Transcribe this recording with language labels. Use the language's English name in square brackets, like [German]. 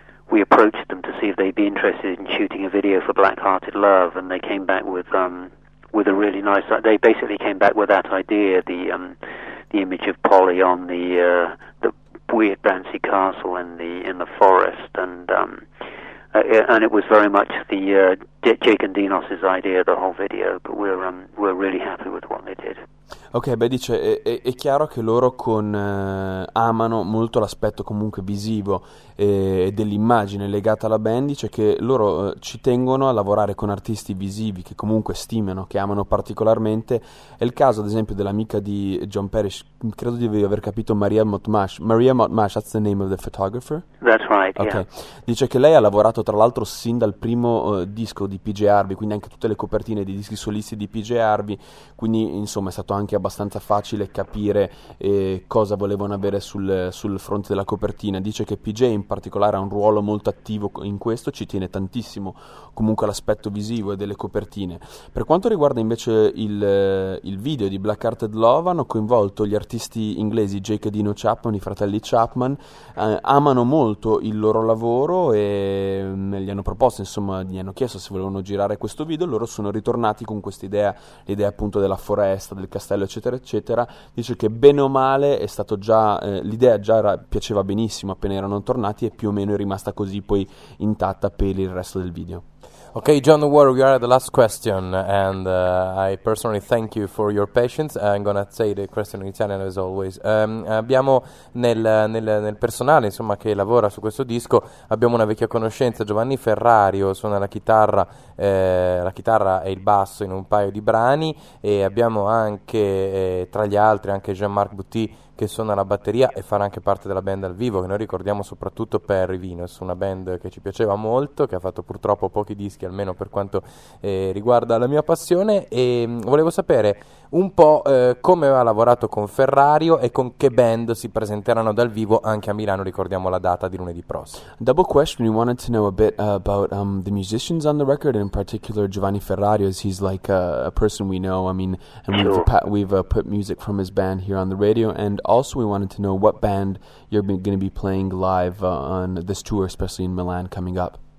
[English] we approached them to see if they'd be interested in shooting a video for Black Hearted Love, and they came back with a really nice, they basically came back with that idea, the image of Polly on the weird bouncy castle in the forest, and it was very much Jake and Dinos's idea the whole video, but we're really happy with what they did. [Italian] Ok, beh, dice, è chiaro che loro amano molto l'aspetto comunque visivo dell'immagine legata alla band, dice che loro ci tengono a lavorare con artisti visivi che comunque stimano, che amano particolarmente. È il caso, ad esempio, dell'amica di John Parish, credo di aver capito Maria Mottmash. [English] Maria Mottmash, that's the name of the photographer? That's right, yeah. [Italian] Ok, dice che lei ha lavorato tra l'altro sin dal primo disco di PJ Harvey, quindi anche tutte le copertine dei dischi solisti di PJ Harvey, quindi insomma è stato anche abbastanza facile capire cosa volevano avere sul fronte della copertina. Dice che PJ in particolare ha un ruolo molto attivo in questo, ci tiene tantissimo comunque all'aspetto visivo e delle copertine. Per quanto riguarda invece il video di Black Hearted Love, hanno coinvolto gli artisti inglesi Jake e Dino Chapman, i fratelli Chapman, amano molto il loro lavoro e gli hanno proposto, insomma, gli hanno chiesto se volevano girare questo video. Loro sono ritornati con quest'idea, l'idea appunto della foresta, del castello, eccetera, eccetera. Dice che bene o male è stato già l'idea già piaceva benissimo appena erano tornati e più o meno è rimasta così poi intatta per il resto del video. [English] Okay, John Ward, we are at the last question, and I personally thank you for your patience. I'm gonna say the question in Italian as always. [Italian] Abbiamo nel personale, insomma, che lavora su questo disco, abbiamo una vecchia conoscenza, Giovanni Ferrario, suona la chitarra e il basso in un paio di brani, e abbiamo anche, tra gli altri, anche Jean-Marc Boutti, che suona la batteria e farà anche parte della band al vivo, che noi ricordiamo soprattutto per Venus, una band che ci piaceva molto, che ha fatto purtroppo pochi dischi, almeno per quanto riguarda la mia passione. E volevo sapere un po' come ha lavorato con Ferrario e con che band si presenteranno dal vivo anche a Milano. Ricordiamo la data di lunedì prossimo. [English] Double question, we wanted to know a bit about the musicians on the record, in particular Giovanni Ferrario, as he's like a person we know, I mean, and we've put music from his band here on the radio, and also we wanted to know what band you're going to be playing live on this tour, especially in Milan coming up.